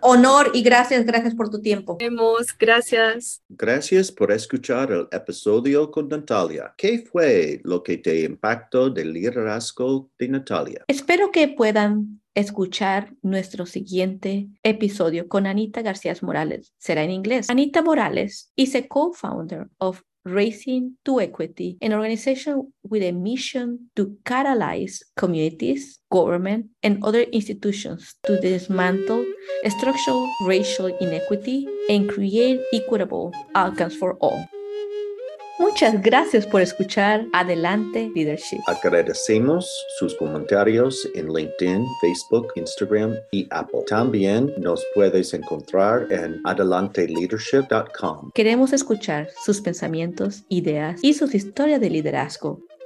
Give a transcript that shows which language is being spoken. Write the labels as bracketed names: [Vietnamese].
[Spanish] Honor y gracias, gracias por tu tiempo. Gracias. Gracias por escuchar el episodio con Natalia. ¿Qué fue lo que te impactó del liderazgo de Natalia? Espero que puedan escuchar nuestro siguiente episodio con Anita García Morales. Será en inglés. [English] Anita Morales is a co-founder of Raising to Equity, an organization with a mission to catalyze communities, government, and other institutions to dismantle structural racial inequity and create equitable outcomes for all. [Spanish] Muchas gracias por escuchar Adelante Leadership. Agradecemos sus comentarios en LinkedIn, Facebook, Instagram y Apple. También nos puedes encontrar en adelanteleadership.com. Queremos escuchar sus pensamientos, ideas y sus historias de liderazgo.